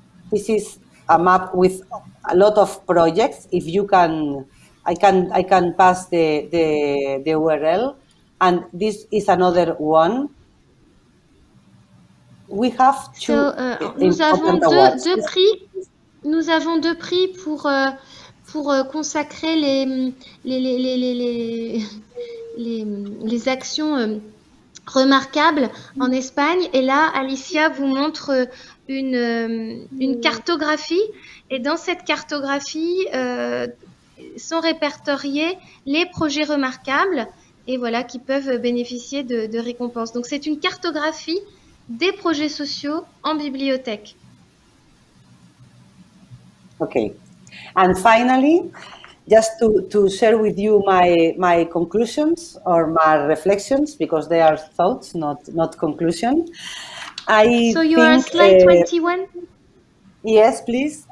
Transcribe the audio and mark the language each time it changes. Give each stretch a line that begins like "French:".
English: This is a map with a lot of projects. If you can, I can pass the URL. And this is another one. we have two.
French: Nous avons deux prix pour consacrer les actions remarquables en Espagne. Et là, Alicia vous montre une cartographie. Et dans cette cartographie, sont répertoriés les projets remarquables et voilà, qui peuvent bénéficier de récompenses. Donc, c'est une cartographie des projets sociaux en bibliothèque.
English: OK. And finally, just to share with you my conclusions or my reflections, because they are thoughts, not conclusions. So you are on slide 21? Yes, please.